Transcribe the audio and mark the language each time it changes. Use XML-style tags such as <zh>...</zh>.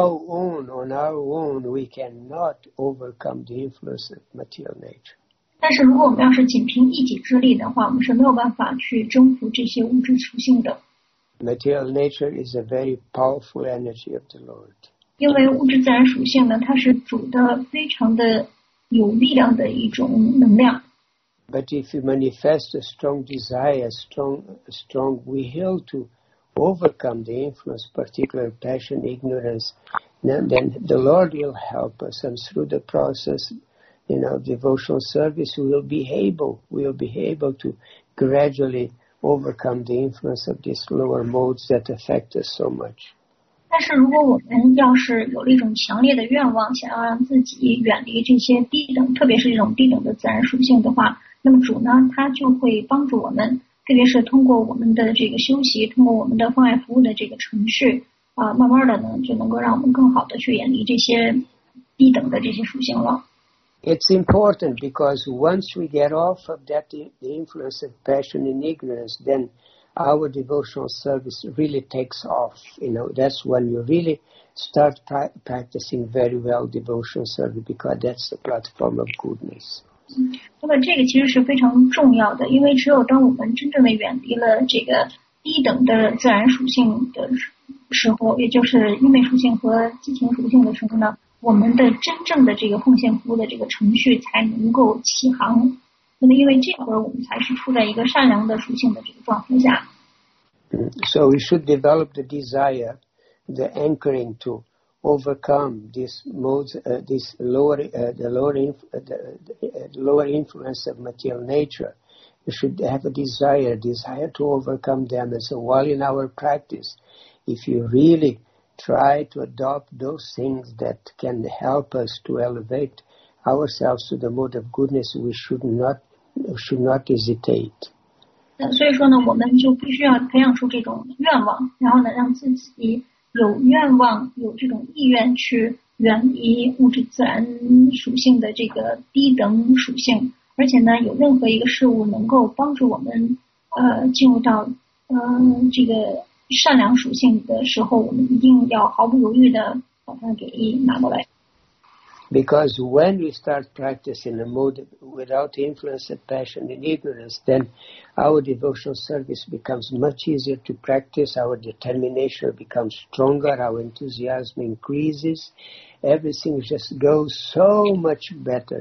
<en>On our own, we cannot overcome the influence of material nature.</en> <zh>但是如果我们要是仅凭一己之力的话，我们是没有办法去征服这些物质属性的。</zh> <en>Material nature is a very powerful energy of the Lord.</en> <zh>因为物质自然属性呢，它是主的非常的有力量的一种能量。</zh> <en>But if you manifest a strong desire, strong will to overcome the influence, particular passion, ignorance, then the Lord will help us, and through the process, you know, devotional service, we will be able to gradually overcome the influence of these lower modes that affect us so much.</en> <zh>但是如果我们要是有了一种强烈的愿望，想要让自己远离这些低等，特别是这种低等的自然属性的话，那么主呢，他就会帮助我们。特别是通过我们的这个休息，通过我们的关爱服务的这个程序，慢慢的呢，就能够让我们更好的去远离这些低等的这些属性了。</zh> <en>It's important because once we get off of that the influence of passion and ignorance, then our devotional service really takes off. You know, that's when you really start practicing very well devotional service because that's the platform of goodness.</en> <zh>那么这个其实是非常重要的，因为只有当我们真正的远离了这个低等的自然属性的时候，也就是欲昧属性和激情属性的时候呢，我们的真正的这个奉献服务的这个程序才能够起航。那么因为这会儿我们才是处在一个善良的属性的这个状态下。</zh> <en>So we should develop the desire, the anchoring to overcome these modes, the lower influence of material nature. We should have a desire to overcome them. And so while in our practice, if you really try to adopt those things that can help us to elevate ourselves to the mode of goodness, we should not hesitate.</en> <zh>所以说呢，我们就必须要培养出这种愿望，然后呢，让自己有愿望，有这种意愿去远离物质自然属性的这个低等属性。而且呢，有任何一个事物能够帮助我们进入到这个善良属性的时候，我们一定要毫不犹豫的把它给拿过来。</zh> <en>Because when we start practicing a mode without influence of passion and ignorance, then our devotional service becomes much easier to practice, our determination becomes stronger, our enthusiasm increases, everything just goes so much better.</en>